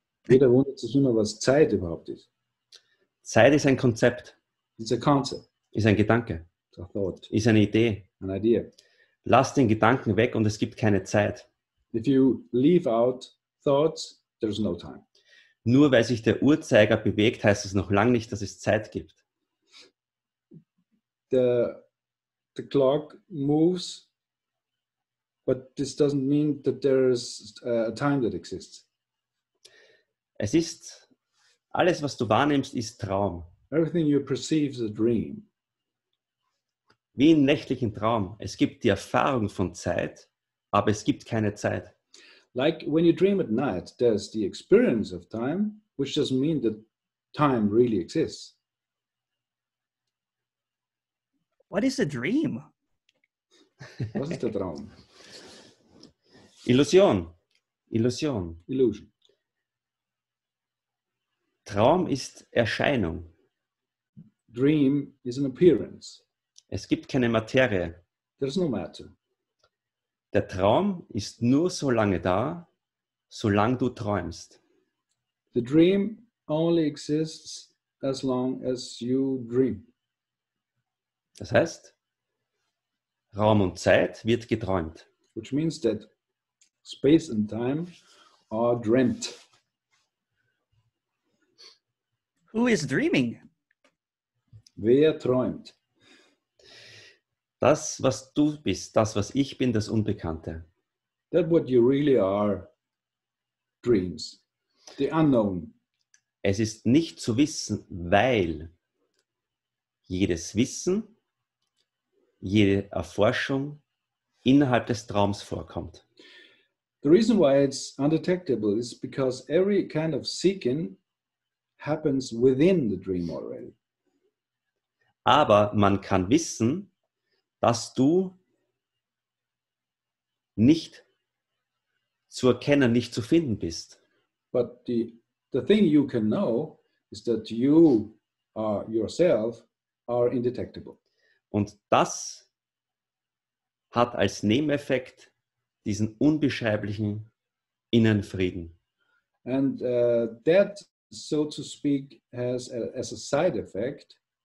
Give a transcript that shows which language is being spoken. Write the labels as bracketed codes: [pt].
[de] Jeder wundert sich immer, was Zeit überhaupt ist. Zeit ist ein Konzept. [en] It's a concept. [de] Ist ein Gedanke. [en] It's a thought. [de] Ist eine Idee. [en] An idea. [de] Lass den Gedanken weg und es gibt keine Zeit. [en] If you leave out thoughts, there's no time. [de] Nur weil sich der Uhrzeiger bewegt, heißt es noch lange nicht, dass es Zeit gibt. [en] The clock moves, but this doesn't mean that there is a time that exists. [de] Es ist, alles was du wahrnimmst, ist Traum. [en] Everything you perceive is a dream. [de] Wie im nächtlichen Traum. Es gibt die Erfahrung von Zeit, aber es gibt keine Zeit. [en] Like when you dream at night, there's the experience of time, which doesn't mean that time really exists. What is a dream? [de] Was ist der Traum? Illusion. Illusion. Illusion. Traum ist Erscheinung. [en] Dream is an appearance. [de] Es gibt keine Materie. [en] There's no matter. [de] Der Traum ist nur so lange da, solange du träumst. [en] The dream only exists as long as you dream. [de] Das heißt, Raum und Zeit wird geträumt. [en] Which means that space and time are dreamt. Who is dreaming? [de] Wer träumt? Das, was du bist, das, was ich bin, das Unbekannte. [en] That what you really are, dreams. The unknown. [de] Es ist nicht zu wissen, weil jedes Wissen, jede Erforschung innerhalb des Traums vorkommt. [en] The reason why it's undetectable is because every kind of seeking happens within the dream already. [de] Aber man kann wissen, dass du nicht zu erkennen, nicht zu finden bist. [en] But the thing you can know is that you are yourself are indetectable. [de] Und das hat als Nebeneffekt diesen unbeschreiblichen Innenfrieden. [en] And that, so to speak, has as a side effect.